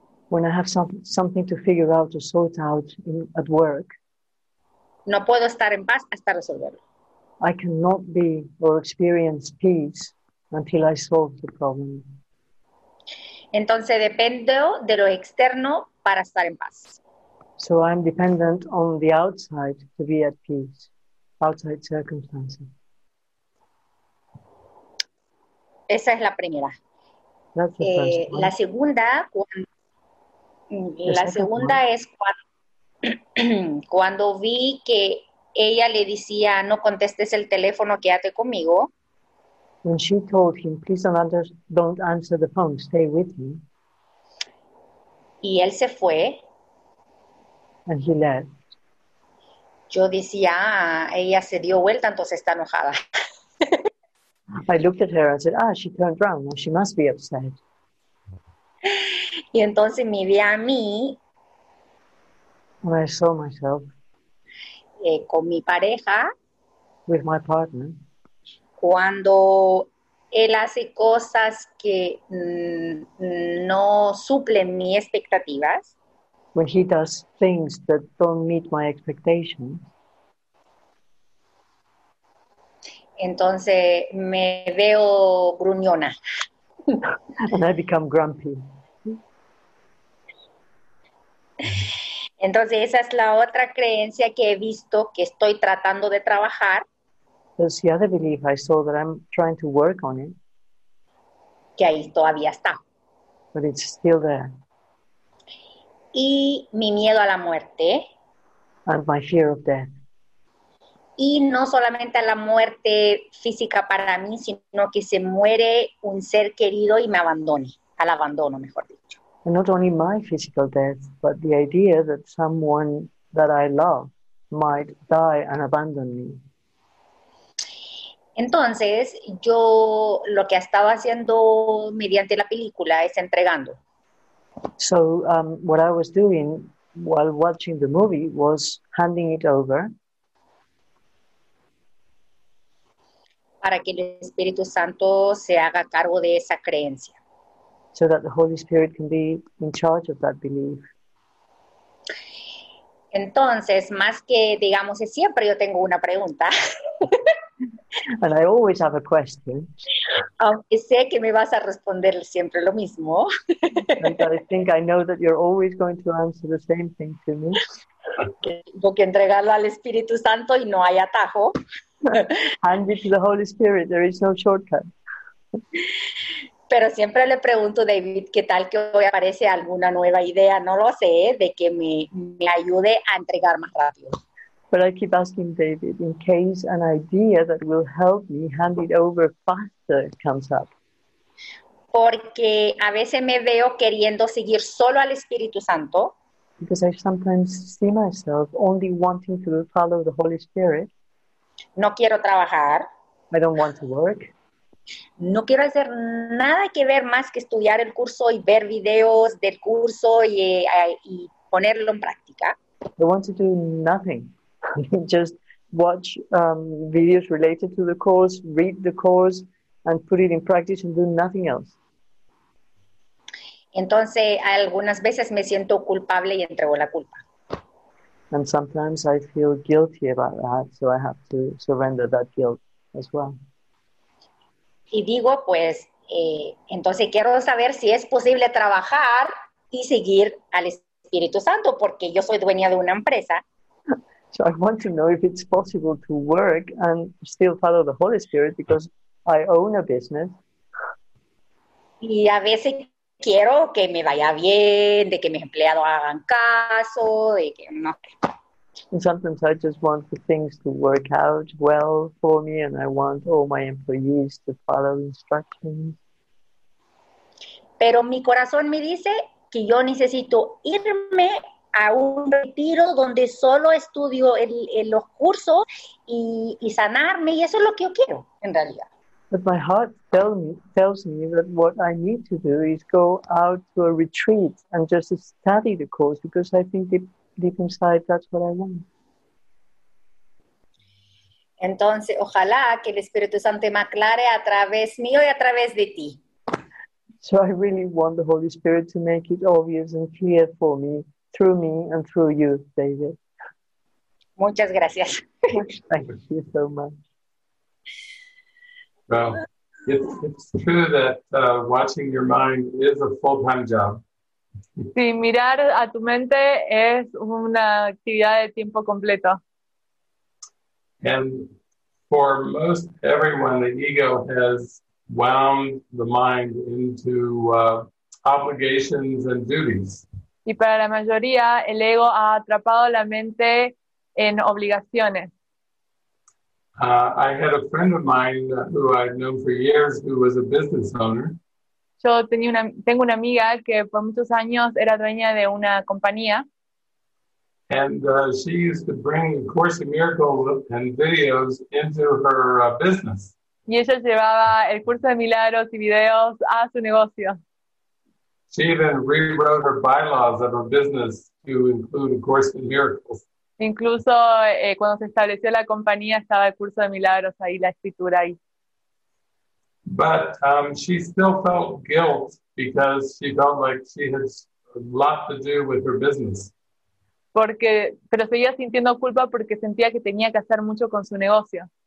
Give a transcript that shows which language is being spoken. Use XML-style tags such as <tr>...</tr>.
<en>When I have something to figure out or sort out at work.</en> <es>No puedo estar en paz hasta resolverlo.</es> <en>I cannot be or experience peace until I solve the problem.</en> <es>Entonces dependo de lo externo para estar en paz.</es> <en>So I'm dependent on the outside to be at peace, outside circumstances.</en> <es>Esa es la primera.</es> <en>That's the</en> <es>la segunda, es cuando vi que ella le decía, no contestes el teléfono, quédate conmigo.</es> <en>When she told him, please don't answer the phone, stay with me.</en> <es>Y él se fue.</es> <en>And he left.</en> <es>Yo decía, ella se dio vuelta, entonces está enojada.</es> <en>I looked at her and said, ah, she turned around, well, she must be upset.</en> <es>Y entonces me vi a mí.</es> <en>When I saw myself.</en> <es>Con mi pareja.</es> <en>With my partner.</en> <es>Cuando él hace cosas que no suplen mis expectativas.</es> <en>When he does things that don't meet my expectations.</en> <es>Entonces me veo gruñona.</es> <en>And I become grumpy.</en> <es>Entonces esa es la otra creencia que he visto que estoy tratando de trabajar.</es> <en>There's the other belief I saw that I'm trying to work on it.</en> <es>Que ahí todavía está.</es> <en>But it's still there.</en> <es>Y mi miedo a la muerte.</es> <en>And my fear of death.</en> <es>Y no solamente a la muerte física para mí, sino que se muere un ser querido y me abandone, al abandono, mejor dicho.</es> <en>And not only my physical death, but the idea that someone that I love might die and abandon me.</en> <es>Entonces, yo lo que estaba haciendo mediante la película es entregando.</es> <en>So, what I was doing while watching the movie was handing it over.</en> <es>Para que el Espíritu Santo se haga cargo de esa creencia.</es> <en>So that the Holy Spirit can be in charge of that belief.</en> <es>Entonces, más que, digamos, siempre yo tengo una pregunta.</es> <en>And I always have a question.</en> <es>Aunque sé que me vas a responder siempre lo mismo.</es> <en>And I think I know that you're always going to answer the same thing to me.</en> <es>Que tengo que entregarlo al Espíritu Santo y no hay atajo.</es> <en>Hand it to the Holy Spirit, there is no shortcut.</en> <es>Pero siempre le pregunto, David, ¿qué tal que hoy aparece alguna nueva idea? No lo sé, de que me ayude a entregar más rápido.</es> <en>But I keep asking David, in case an idea that will help me hand it over faster comes up.</en> <es>Porque a veces me veo queriendo seguir solo al Espíritu Santo.</es> <en>Because I sometimes see myself only wanting to follow the Holy Spirit.</en> <es>No quiero trabajar.</es> <en>I don't want to work.</en> <es>No quiero hacer nada que ver más que estudiar el curso y ver videos del curso y ponerlo en práctica.</es> <en>I want to do nothing. Just watch videos related to the course, read the course, and put it in practice and do nothing else.</en> <es>Entonces, algunas veces me siento culpable y entrego la culpa.</es> <en>And sometimes I feel guilty about that, so I have to surrender that guilt as well.</en> <es>Y digo, pues, entonces quiero saber si es posible trabajar y seguir al Espíritu Santo, porque yo soy dueña de una empresa.</es> <en>So I want to know if it's possible to work and still follow the Holy Spirit, because I own a business.</en> <es>Y a veces quiero que me vaya bien, de que mis empleados hagan caso, de que no.</es> <en>And sometimes I just want the things to work out well for me, and I want all my employees to follow instructions.</en> <es>Pero mi corazón me dice que yo necesito irme a un retiro donde solo estudio los cursos y sanarme, y eso es lo que yo quiero, en realidad.</es> <en>But my heart tells me that what I need to do is go out to a retreat and just study the course, because I think deep inside that's what I want.</en> <es>Entonces, ojalá que el Espíritu Santo me aclare a través mío y a través de ti.</es> <en>So I really want the Holy Spirit to make it obvious and clear for me and through you, David.</en> <es>Muchas gracias.</es> <en>Thank you so much. Well, it's true that watching your mind is a full-time job.</en> <es>Sí, mirar a tu mente es una actividad de tiempo completo.</es> <en>And for most everyone, the ego has wound the mind into obligations and duties.</en> <es>Y para la mayoría, el ego ha atrapado la mente en obligaciones.</es> <en>I had a friend of mine who I'd known for years who was a business owner.</en> <es>Yo tengo una amiga que por muchos años era dueña de una compañía.</es> <en>And she used to bring A Course in Miracles and videos into her business.</en> <es>Y ella llevaba el curso de milagros y videos a su negocio.</es> <en>She even rewrote her bylaws of her business to include A Course in Miracles.</en> <es>Incluso cuando se estableció la compañía estaba el curso de milagros ahí, la escritura ahí.</es> <en>But she still felt guilt because she felt like she had a lot to do with her business.</en> <es>Pero seguía sintiendo culpa porque sentía que tenía que hacer mucho con su negocio.</es>